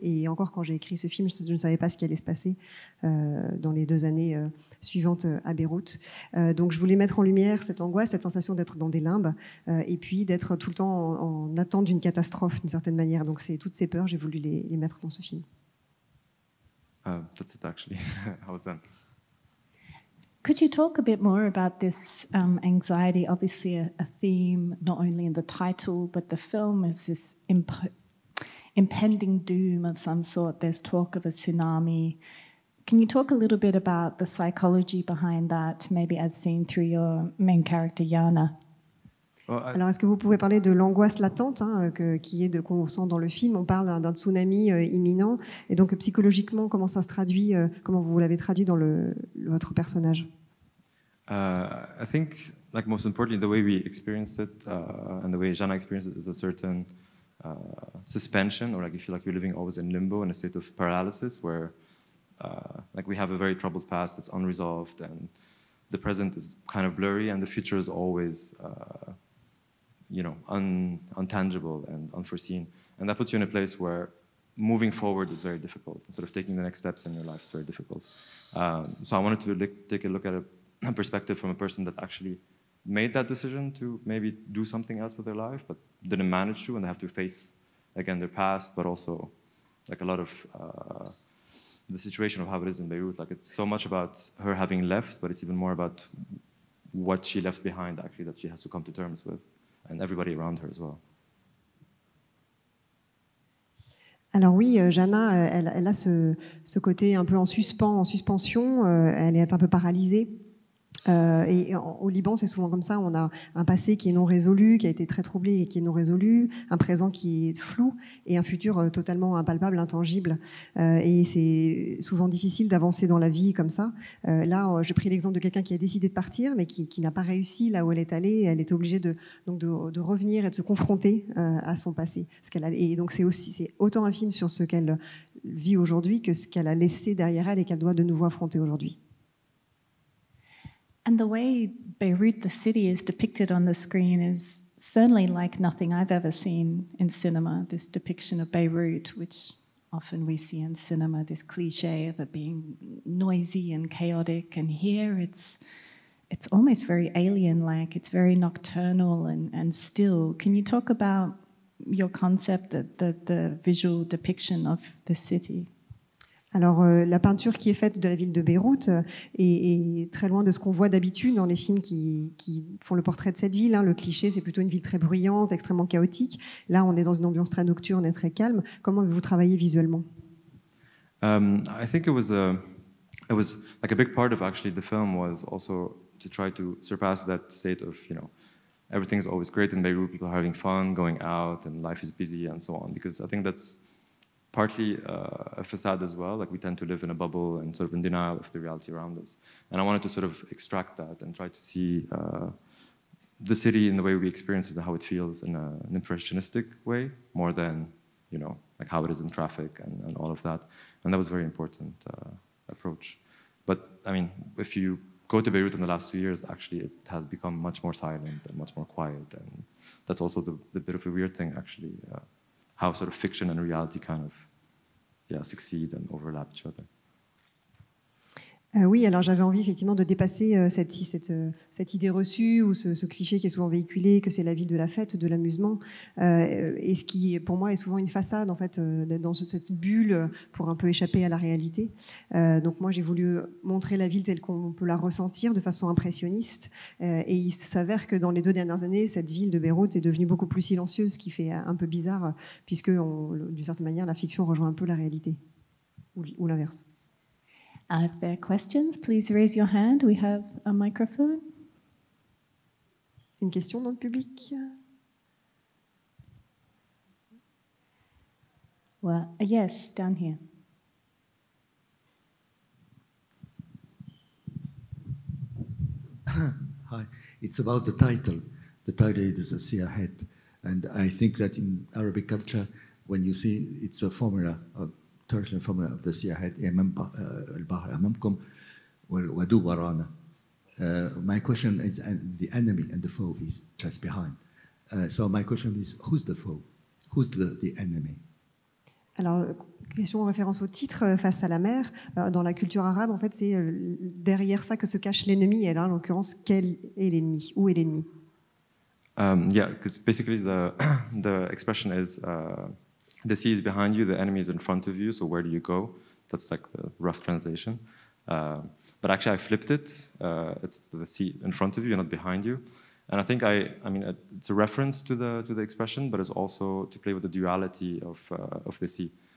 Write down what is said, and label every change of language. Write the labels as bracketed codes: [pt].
[fr] Et encore, quand j'ai écrit ce film, je ne savais pas ce qui allait se passer dans les 2 années suivantes à Beyrouth. Donc je voulais mettre en lumière cette angoisse, cette sensation d'être dans des limbes et puis d'être tout le temps en attente d'une catastrophe d'une certaine manière. Donc c'est toutes ces peurs, j'ai voulu les mettre dans ce film. [en] That's it actually. How was that? Could you talk a bit more about this anxiety? Obviously a theme not only in the title, but the film is this impending doom of some sort. There's talk of a tsunami. Can you talk a little bit about the psychology behind that, maybe as seen through your main character, Yana? [fr] Alors, est-ce que vous pouvez parler de l'angoisse latente hein, qu'on sent dans le film? On parle d'un tsunami imminent. Et donc, psychologiquement, comment ça se traduit, comment vous l'avez traduit dans votre personnage? [en] I think, like, most importantly, the way we experienced it and the way Jana experienced it is a certain suspension, or like you feel like you're living always in limbo, in a state of paralysis, where like we have a very troubled past that's unresolved, and the present is kind of blurry, and the future is always you know, untangible and unforeseen. And that puts you in a place where moving forward is very difficult. Sort of taking the next steps in your life is very difficult. So I wanted to take a look at a perspective from a person that actually made that decision to maybe do something else with their life, but didn't manage to, and they have to face, again, their past, but also like a lot of the situation of how it is in Beirut. Like, it's so much about her having left, but it's even more about what she left behind, actually, that she has to come to terms with. And everybody around her as well. [fr] Alors oui, Jana, elle a ce côté un peu en suspension, elle est un peu paralysée. Et au Liban, c'est souvent comme ça, on a un passé qui est non résolu, qui a été très troublé et qui est non résolu, un présent qui est flou et un futur totalement impalpable, intangible. Et c'est souvent difficile d'avancer dans la vie comme ça. Là, j'ai pris l'exemple de quelqu'un qui a décidé de partir, mais qui n'a pas réussi là où elle est allée. Elle est obligée de revenir et de se confronter à son passé. C'est autant un film sur ce qu'elle vit aujourd'hui que ce qu'elle a laissé derrière elle et qu'elle doit de nouveau affronter aujourd'hui. [en] And the way Beirut, the city, is depicted on the screen is certainly like nothing I've ever seen in cinema, this depiction of Beirut, which often we see in cinema, this cliche of it being noisy and chaotic. And here it's almost very alien-like. It's very nocturnal and still. Can you talk about your concept, the visual depiction of the city? [fr] Alors, la peinture qui est faite de la ville de Beyrouth est très loin de ce qu'on voit d'habitude dans les films qui font le portrait de cette ville. Le cliché, c'est plutôt une ville très bruyante, extrêmement chaotique. Là, on est dans une ambiance très nocturne et très calme. Comment avez-vous travaillé visuellement? [en] I think it was like a big part of actually the film was also to try to surpass that state of, you know, everything's always great in Beirut, people are having fun, going out, and life is busy, and so on. Because I think that's partly a facade as well. Like, we tend to live in a bubble and sort of in denial of the reality around us. And I wanted to sort of extract that and try to see the city in the way we experience it, how it feels in an impressionistic way, more than, you know, like how it is in traffic and all of that. And that was a very important approach. But I mean, if you go to Beirut in the last 2 years, actually it has become much more silent and much more quiet. And that's also the bit of a weird thing, actually. How sort of fiction and reality kind of, yeah, succeed and overlap each other. [fr] Oui, alors j'avais envie effectivement de dépasser cette idée reçue ou ce cliché qui est souvent véhiculé, que c'est la ville de la fête, de l'amusement, et ce qui pour moi est souvent une façade en fait, dans cette bulle pour un peu échapper à la réalité. Donc moi j'ai voulu montrer la ville telle qu'on peut la ressentir de façon impressionniste, et il s'avère que dans les deux dernières années, cette ville de Beyrouth est devenue beaucoup plus silencieuse, ce qui fait un peu bizarre, puisque d'une certaine manière la fiction rejoint un peu la réalité, ou l'inverse. [en] If there are questions, please raise your hand. We have a microphone. [fr] Une question dans le public? [en] Well, yes, down here. Hi, it's about the title. The title is A Sea Ahead. And I think that in Arabic culture, when you see it's a formula of Persian formula of the sea ahead, [ar] al-bahr amamkum, wadu warana. [en] My question is, the enemy and the foe is just behind. So my question is, who's the foe? Who's the enemy? [fr] Alors, question en référence au titre, face à la mer. Dans la culture arabe, en fait, c'est derrière ça que se cache l'ennemi. Et là, en l'occurrence, quel est l'ennemi? Où est l'ennemi? [en] Yeah, because basically the expression is, the sea is behind you, the enemy is in front of you, so where do you go? That's like the rough translation. But actually I flipped it. It's the sea in front of you, not behind you. And I think I mean, it's a reference to the expression, but it's also to play with the duality of the sea.